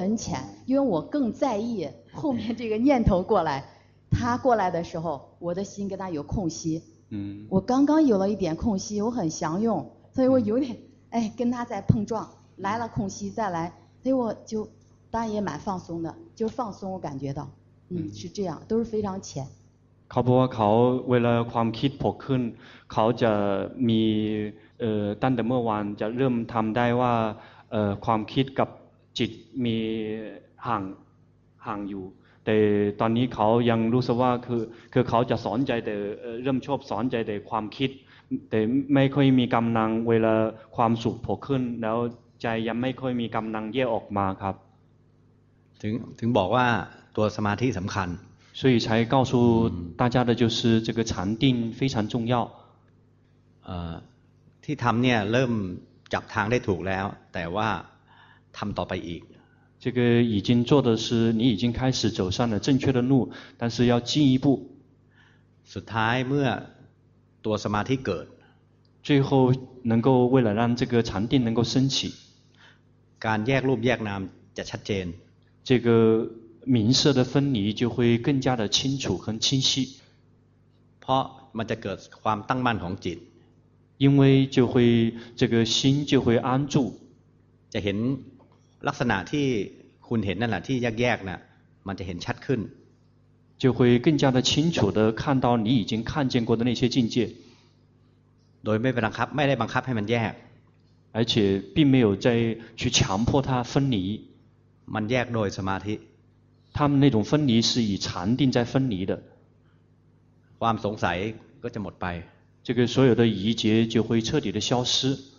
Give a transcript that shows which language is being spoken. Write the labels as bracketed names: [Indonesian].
[Chinese] 很浅因为我更在意后面这个念头过来他过来的时候我的心跟他有空隙我刚刚有了一点空隙我很享用所以我有点跟他在碰撞来了空隙再来所以我就当然也蛮放松的就放松我感觉到是这样都是非常浅 [Thai] เขาบอกว่าเขาเวลาความคิดผกขึ้นเขาจะมีตั้งแต่เมื่อวานจะเริ่มทำได้ว่าความคิดกับจิตมีห่างอยู่แต่ตอนนี้เขายังรู้สึกว่าคือเขาจะสอนใจแต่เริ่มชอบสอนใจแต่ความคิดแต่ไม่ค่อยมีกำลังเวลาความสุขผกขึ้นแล้วใจยังไม่ค่อยมีกำลังแยกออกมาครับ ถึงบอกว่าตัวสมาธิสำคัญ [Chinese] 所以才告诉大家的就是这个禅定非常重要 [Thai] ที่ทำเนี่ยเริ่มจับทางได้ถูกแล้วแต่ว่าทำต่อไปอีก [Chinese] 这个已经做的是你已经开始走上了正确的路但是要进一步 [Thai] สุดท้ายเมื่อตัวสมาธิเกิด [Chinese] 最后能够为了让这个禅定能够升起 [Thai] การแยกรูปแยกนามจะชัดเจน [Chinese] 这个名色的分离就会更加的清楚和清晰 [Thai] เพราะมันจะเกิดความตั้งมั่นของจิต [Chinese] 因为就会这个心就会安住 [Thai] จะเห็นลักษณะที่คุณเห็นนั่นแหละที่แยกๆน่ะมันจะเห็นชัดขึ้น [Chinese] 就会更加的清楚的看到你已经看见过的那些境界 [Thai] โดยไม่บังคับไม่ได้บังคับให้มันแยก [Chinese] 而且并没有再去强迫它分离 [Thai] มันแยกโดยสมาธิ [Chinese] 他们那种分离是以禅定在分离的 [Thai] ความสงสัยก็จะหมดไป [Chinese] 这个所有的疑结就会彻底的消失